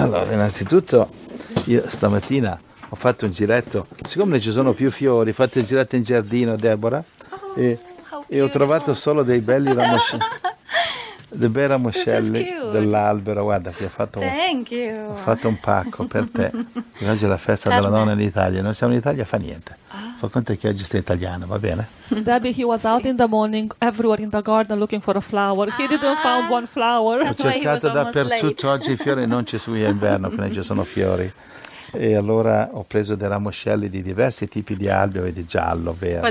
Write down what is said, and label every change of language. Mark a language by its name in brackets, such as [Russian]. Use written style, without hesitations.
[Italian] Allora, innanzitutto io stamattina ho fatto un giretto, siccome non ci sono più fiori, ho fatto il giretto in giardino, Deborah, e ho trovato solo dei belli ramoscelli. Dei bei ramoscelli dell'albero, guarda, ti ho fatto, [English] thank you. [Italian] Ho fatto un pacco per te. Oggi è la festa Carmen. Della donna in Italia, non siamo in Italia, fa niente. Fa conto che oggi sei italiano, va bene? [English] Debbie, he was out in the morning, everywhere in the garden, looking for a flower. He didn't find one flower. [Italian] Ho cercato dappertutto oggi i fiori, non ci sono, inverno, quindi ci sono fiori. E allora ho preso dei ramoscelli di diversi tipi di alberi, vedi, giallo, verde,